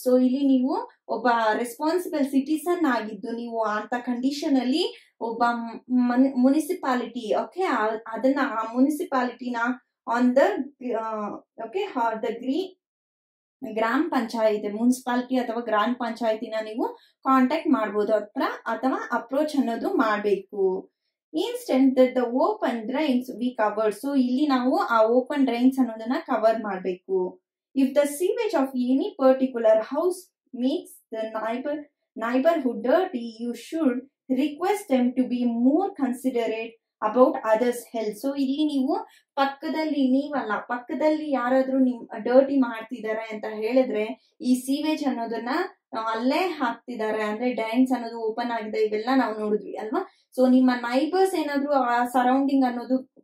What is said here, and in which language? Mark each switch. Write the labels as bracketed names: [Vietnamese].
[Kannada] So ಇಲ್ಲಿ ನೀವು ಒಬ್ಬ ರೆಸ್ಪಾನ್ಸಿಬಲ್ ಸಿಟಿಸನ್ ಆಗಿದ್ದು ನೀವು ಅಂತ ಕಂಡೀಷನ್ ಅಲ್ಲಿ ಒಬ್ಬ ಮುನಿಸಿಪಾಲಿಟಿ ಓಕೆ ಅದನ್ನ ಆ ಮುನಿಸಿಪಾಲಿಟಿನ on the okay are the ಗ್ರಾಮ ಪಂಚಾಯತ್ ಮುನಿಸಿಪಾಲಿಟಿ ಅಥವಾ ಗ್ರಾಮ ಪಂಚಾಯತಿನ ನೀವು ಕಾಂಟ್ಯಾಕ್ಟ್ ಮಾಡ್ಬೋದು ಹತ್ರ ಅಥವಾ ಅಪ್ರೋಚ್ ಅನ್ನೋದು ಮಾಡ್ಬೇಕು. [English] Instant that the open drains we cover. [Kannada] So ಇಲ್ಲಿ ನಾವು ಆ ಓಪನ್ ಡ್ರೈನ್ಸ್ ಅನ್ನೋದನ್ನ ಕವರ್ ಮಾಡ್ಬೇಕು. [English] If the sewage of any particular house makes the neighborhood dirty, you should request them to be more considerate about others' health. [Kannada] So, ಇಲ್ಲಿ ನೀವು ಪಕ್ಕದಲ್ಲಿ ನೀವಲ್ಲ ಪಕ್ಕದಲ್ಲಿ ಯಾರಾದ್ರೂ ನಿಮ್ ಡರ್ಟಿ ಮಾಡ್ತಿದ್ದಾರೆ ಅಂತ ಹೇಳಿದ್ರೆ ಈ ಸೀವೇಜ್ ಅನ್ನೋದನ್ನ ಅಲ್ಲೇ ಹಾಕ್ತಿದ್ದಾರೆ ಅಂದ್ರೆ ಡ್ಯಾನ್ಸ್ ಅನ್ನೋದು ಓಪನ್ ಆಗಿದೆ ಇವೆಲ್ಲ ನಾವು ನೋಡಿದ್ವಿ ಅಲ್ವಾ. ಸೊ ನಿಮ್ಮ ನೈಬರ್ಸ್ ಏನಾದ್ರು ಆ ಸರೌಂಡಿಂಗ್ ಅನ್ನೋದು